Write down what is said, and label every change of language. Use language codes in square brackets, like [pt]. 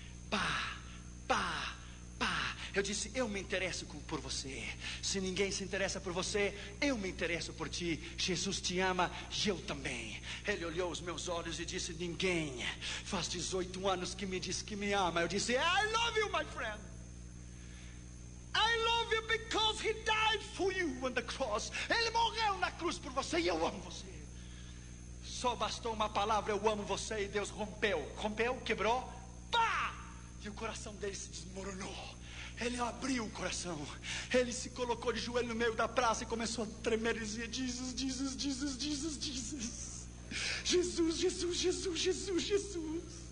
[pt] Pá, pá, pá. Eu disse: eu me interesso por você. Se ninguém se interessa por você, eu me interesso por ti. Jesus te ama e eu também. Ele olhou os meus olhos e disse: ninguém faz 18 anos que me diz que me ama. Eu disse: [en] I love you, my friend. I love you because he died for you on the cross. [pt] Ele morreu na cruz por você e eu amo você. Só bastou uma palavra: eu amo você, e Deus rompeu. Rompeu, quebrou, pá! E o coração dele se desmoronou. Ele abriu o coração. Ele se colocou de joelho no meio da praça e começou a tremer e dizia: Jesus, Jesus, Jesus, Jesus, Jesus, Jesus, Jesus, Jesus, Jesus, Jesus.